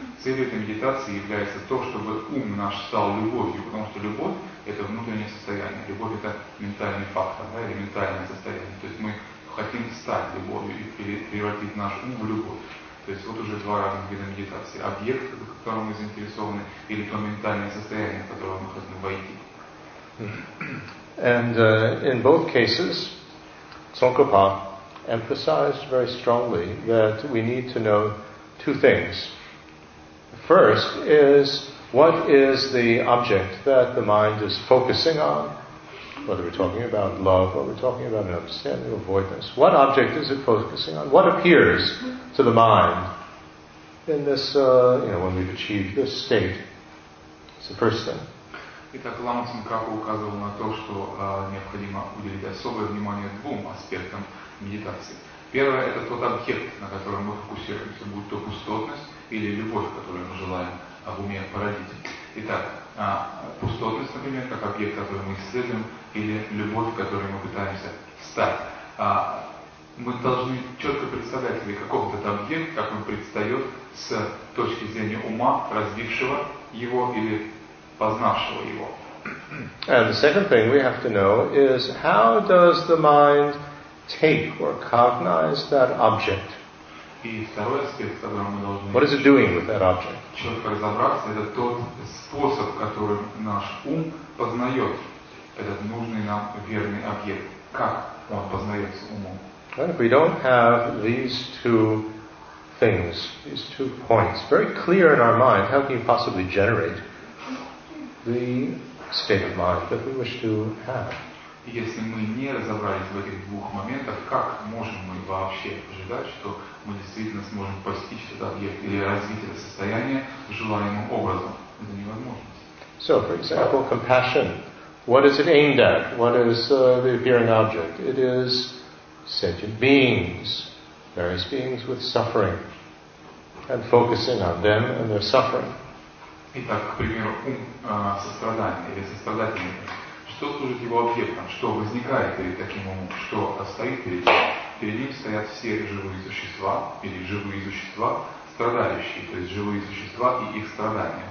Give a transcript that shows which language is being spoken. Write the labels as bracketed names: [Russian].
[Russian] Целью этой медитации является то, чтобы ум наш стал любовью, потому что любовь – это внутреннее состояние. Любовь – это ментальный фактор, да, или ментальное состояние. То есть мы хотим стать любовью и превратить наш ум в любовь. То есть вот уже два разных вида медитации. Объект, в котором мы заинтересованы, или то ментальное состояние, в которое мы хотим войти. [English] And in both cases, Tsongkhapa emphasized very strongly that we need to know two things. First is, what is the object that the mind is focusing on? Whether we're talking about love, or we're talking about an understanding of avoidance. What object is it focusing on? What appears to the mind in this, when we've achieved this state? It's the first thing. [Russian] Итак, лама Цинкапа указывал на то, что необходимо уделить особое внимание двум аспектам медитации. Первое – это тот объект, на котором мы фокусируемся, будь то пустотность или любовь, которую мы желаем в уме породить. Итак, пустотность, например, как объект, который мы исследуем, или любовь, которой мы пытаемся стать. Мы должны четко представлять себе, каков этот объект, как он предстает с точки зрения ума, развившего его или познавшего его. [English] And the second thing we have to know is, how does the mind take or cognize that object? What is it doing with that object? [Russian] Четко разобраться, это тот способ, которым наш ум познает этот нужный нам верный объект. Как он познается умом? [English] If we don't have these two things, these two points, very clear in our mind, how can you possibly generate the state of mind that we wish to have? [Russian] Если мы не разобрались в этих двух моментах, как можем мы вообще ожидать, что мы действительно сможем постичь этот объект или развить это состояние желаемым образом? Это невозможно. [English] So, for example, compassion. What is it aimed at? What is the appearing object? It is sentient beings, various beings with suffering, and focusing on them and their suffering. [Russian] Итак, к примеру, ум сострадания или сострадательности. Что служит его объектом? Что возникает перед таким умом? Что стоит перед ним? Перед ним стоят все живые существа, или живые существа, страдающие, то есть живые существа и их страдания.